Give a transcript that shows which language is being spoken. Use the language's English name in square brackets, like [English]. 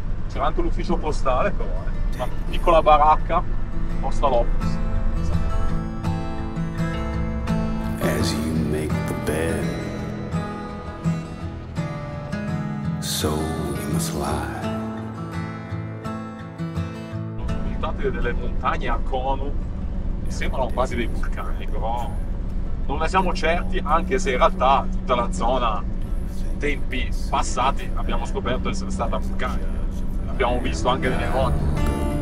[Italian] C'era anche l'ufficio postale, però, una piccola baracca, [English] postal office. As you make the bed, so you must lie. [Italian] Montate delle montagne a cono, sembrano quasi dei vulcani, però non ne siamo certi, anche se in realtà tutta la zona, tempi passati, abbiamo scoperto essere stata vulcanica. L'abbiamo visto anche nelle foto.